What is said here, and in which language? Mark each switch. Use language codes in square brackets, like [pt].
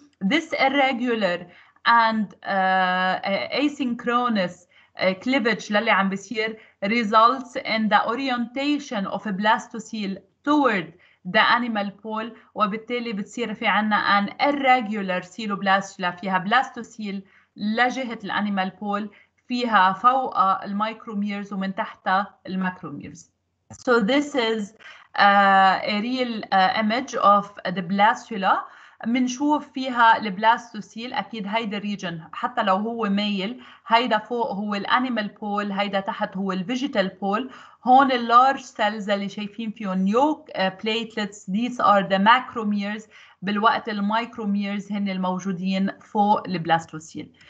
[en] This irregular and asynchronous cleavage [ar] للي عم بيصير [en] results in the orientation of a blastocele toward the animal pole, [ar] وبالتالي بتصير في عنا [en] an irregular ceiloblast, [ar] فيها blastocele لجهة الانيمال بول, فيها فوق الميكروميرز ومن تحت الماكروميرز. [en] So this is a real image of the blastula. [ar] منشوف فيها البلاستوسيل, أكيد هيدا الريجن حتى لو هو ميل, هيدا فوق هو الانيمال بول, هيدا تحت هو الفيجيتال بول. هون اللارج سيلز اللي شايفين فيهم يوك بليتلتس, [en] these are the macromeres, [ar] بالوقت الميكروميرز هن الموجودين فوق البلاستوسيل.